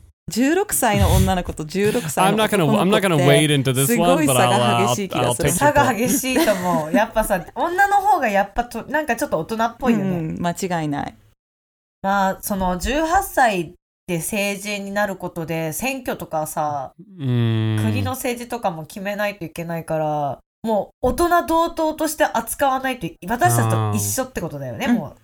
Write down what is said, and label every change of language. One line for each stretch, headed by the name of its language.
Japanese: 16歳の女の子と16歳の男の子って
English: I'm not gonna wade into this one, but I'll take your point.
Japanese: 差が激しいと思う。やっぱさ、女の方がやっぱとなんかちょっと大人っぽいよね。間違いない。まあその18歳で成人になることで選挙とかさ、国の政治とかも決めないといけないから。もう大人同等として扱わないと私たちと一緒ってことだよね、もう。